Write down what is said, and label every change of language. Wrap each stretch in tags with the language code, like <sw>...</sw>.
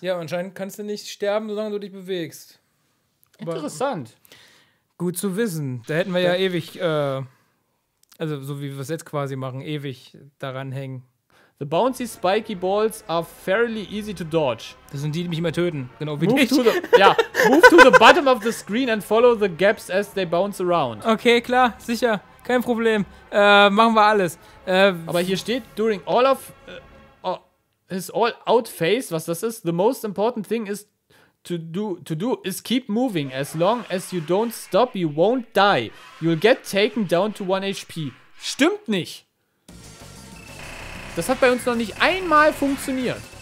<de>Ja, anscheinend kannst du nicht sterben, solange du dich bewegst. Aber interessant. Gut zu wissen. Da hätten wir ja ewig, also so wie wir es jetzt quasi machen, ewig daran hängen.</de> <en>The bouncy spiky balls are fairly easy to dodge.</en> <de>Das sind die, die mich immer töten. Genau wie dich.</de> <en>Move to the bottom of the screen and follow the gaps as they bounce around.</en> <de>Okay, klar, sicher. Kein Problem. Machen wir alles. Aber hier steht,</de> <en>during all of... his all-out phase,</en> <de>was das ist,</de> <en>the most important thing is to do is keep moving. As long as you don't stop, you won't die. You'll get taken down to 1 HP.</en> <de>Stimmt nicht. Das hat bei uns noch nicht einmal funktioniert.</de>